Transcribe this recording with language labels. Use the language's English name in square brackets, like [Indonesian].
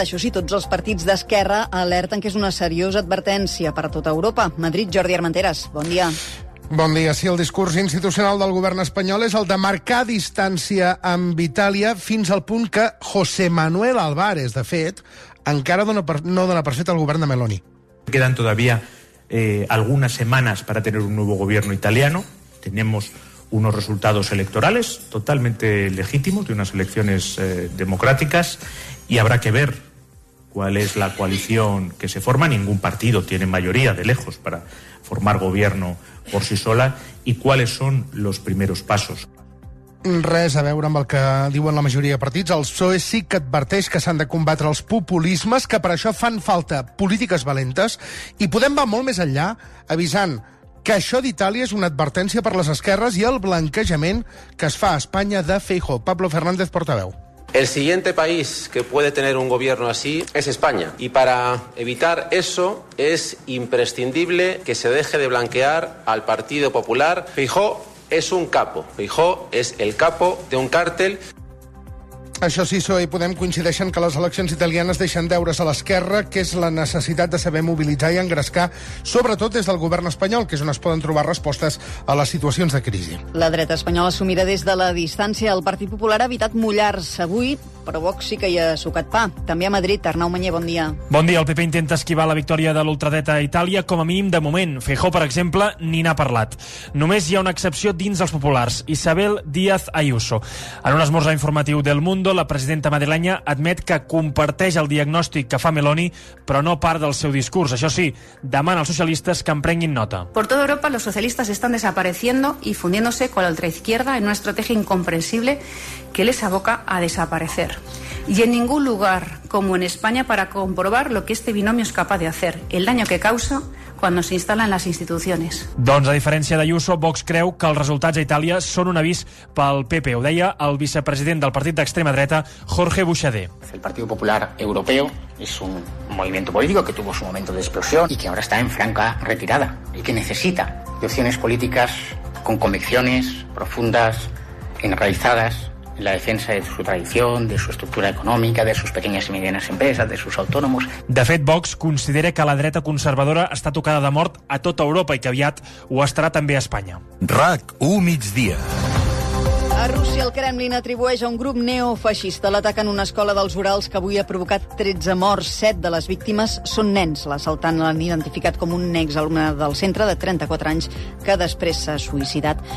[Catalan] Això sí, tots els partits d'esquerra alerten que és una seriosa advertència per a tota Europa. Madrid, Jordi Armenteres, bon dia. Bon dia. Sí, el discurs institucional del govern espanyol és el de marcar distància amb Itàlia fins al punt que José Manuel Álvarez, de fet, encara no dona per fet al govern de Meloni. [Spanish] Quedan todavía algunas semanas para tener un nuevo gobierno italiano. Tenemos unos resultados electorales totalmente legítimos de unas elecciones democráticas y habrá que ver cuál es la coalición que se forma. Ningún partido tiene mayoría de lejos para formar gobierno por sí sola y cuáles son los primeros pasos. [Catalan] Res a veure amb el que diuen la majoria de partits. El PSOE sí que adverteix que s'han de combatre els populismes, que per això fan falta polítiques valentes, i Podem va molt més enllà, avisant que això d'Itàlia és una advertència per les esquerres i el blanquejament que es fa a Espanya de Feijóo. Pablo Fernández, portaveu. [Spanish] El siguiente país que puede tener un gobierno así es España. Y para evitar eso es imprescindible que se deje de blanquear al Partido Popular. Feijóo es un capo. Feijóo es el capo de un cártel. [Catalan] Això sí, PSOE i Podem coincideixen que les eleccions italianes deixen deures a l'esquerra, que és la necessitat de saber mobilitzar i engrescar, sobretot des del govern espanyol, que és on es poden trobar respostes a les situacions de crisi. La dreta espanyola assumirà des de la distància. El Partit Popular ha evitat mullar-se avui, però Vox sí que hi ha sucat pa. També a Madrid, Arnau Mañé, bon dia. Bon dia. El PP intenta esquivar la victòria de l'ultradreta a Itàlia, com a mínim de moment. Feijóo, per exemple, ni n'ha parlat. Només hi ha una excepció dins dels populars, Isabel Díaz Ayuso. En un esmorzar informatiu del Mundo, la presidenta madrilenya admet que comparteix el diagnòstic que fa Meloni, però no part del seu discurs. Això sí, demana als socialistes que en prenguin nota. [Spanish] Por toda Europa los socialistas están desapareciendo y fundiéndose con la ultraizquierda en una estrategia incomprensible que les aboca a desaparecer. Y en ningún lugar como en España para comprobar lo que este binomio es capaz de hacer, el daño que causa cuando se instalan las instituciones. [Catalan] Doncs, a diferència d'Ayuso, Vox creu que els resultats a Itàlia són un avís pel PP. Ho deia el vicepresident del partit d'extrema dreta, Jorge Buxadé. El Partit Popular Europeu és un moviment polític [Spanish] que tuvo su momento de explosión y que ahora está en franca retirada y que necesita de opciones políticas con convicciones profundas, enraizadas en la defensa de su tradición, de su estructura económica, de sus pequeñas y medianas empresas, de sus autónomos. [Catalan] De fet, Vox considera que la dreta conservadora està tocada de mort a tota Europa i que aviat ho estarà també a Espanya. RAC 1 migdia. A Rússia, el Kremlin atribueix a un grup neofeixista l'atac en una escola dels Urals que avui ha provocat 13 morts. 7 de les víctimes són nens. L'assaltant l'han identificat com un exalumne del centre de 34 anys que després s'ha suïcidat.